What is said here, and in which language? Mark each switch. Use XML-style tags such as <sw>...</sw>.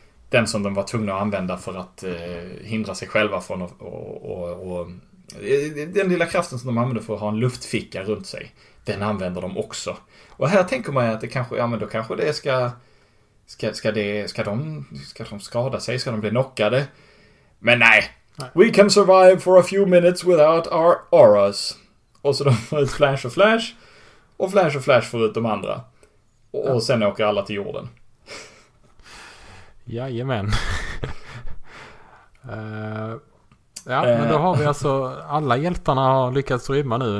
<sv>Den som de var tvungna att använda för att hindra sig själva från och den lilla kraften som de använder för att ha en luftficka runt sig. Den använder de också. Och här tänker man ju att det kanske, ja men då kanske det ska de skada sig, ska de bli knockade? Men nej.</sv> <en>We can survive for a few minutes without our auras.</en> <sv>Och så de får ut Flash och Flash får ut de andra. Och sen åker alla till jorden. Jajamän. Ja, men då har vi alltså, alla hjältarna har lyckats rymma nu.</sv>